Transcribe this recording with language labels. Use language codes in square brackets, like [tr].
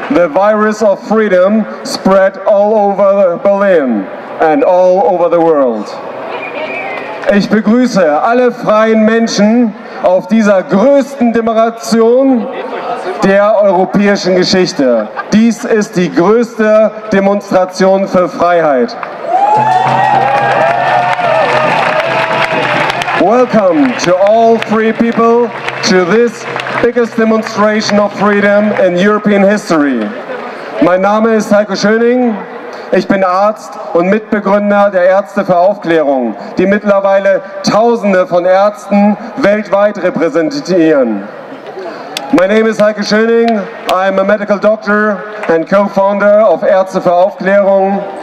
[en] The virus of freedom spread all over Berlin and all over the world. [de] Ich begrüße alle freien Menschen auf dieser größten Demonstration der europäischen Geschichte. Dies ist die größte Demonstration für Freiheit. [en] Welcome to all free people to this biggest demonstration of freedom in European history. [de] Mein Name ist Heiko Schöning. Ich bin Arzt und Mitbegründer der Ärzte für Aufklärung, die mittlerweile Tausende von Ärzten weltweit repräsentieren. [en] My name is Heiko Schöning. I am a medical doctor and co-founder of Ärzte für Aufklärung.